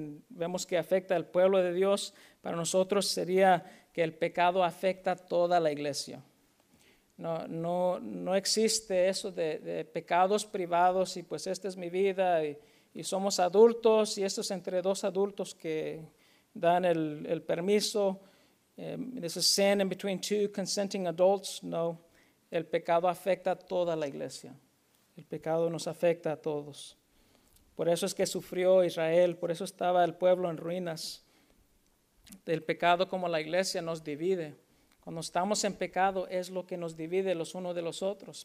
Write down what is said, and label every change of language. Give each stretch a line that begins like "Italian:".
Spanish: Vemos que afecta al pueblo de Dios. Para nosotros sería que el pecado afecta a toda la iglesia. No existe eso de pecados privados y pues esta es mi vida y somos adultos, y esto es entre dos adultos que dan el permiso.
English: This is sin in between two consenting adults.
Spanish: No, el pecado afecta a toda la iglesia. El pecado nos afecta a todos. Por eso es que sufrió Israel, por eso estaba el pueblo en ruinas. El pecado como la iglesia nos divide. Cuando estamos en pecado es lo que nos divide los unos de los otros.